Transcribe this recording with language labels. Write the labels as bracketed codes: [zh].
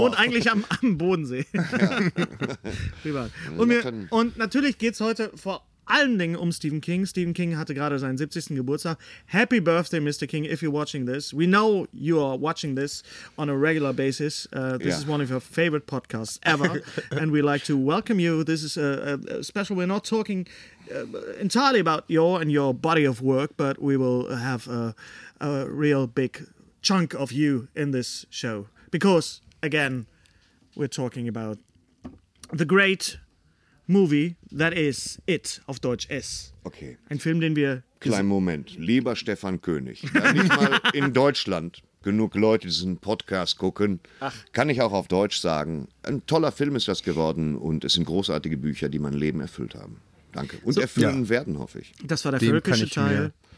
[de] Wohnt eigentlich am Bodensee. Ja. Privat. Und natürlich geht es heute vor allen Dingen um Stephen King. Stephen King hatte gerade seinen 70. Geburtstag. [en] Happy birthday, Mr. King, if you're watching this. We know you are watching this on a regular basis. This is one of your favorite podcasts ever. And we'd like to welcome you. This is a special. We're not talking entirely about your and your body of work, but we will have a real big chunk of you in this show. Because, again, we're talking about the great movie that is it [de] auf Deutsch S. [en] Okay. [de] Ein Film, den wir kleinen Moment, lieber Stefan König, da nicht mal in Deutschland genug Leute diesen Podcast gucken, kann ich auch auf Deutsch sagen, ein toller Film ist das geworden und es sind großartige Bücher, die mein Leben erfüllt haben. Danke. Und so, erfüllen werden, hoffe ich. Das war der völkische Teil.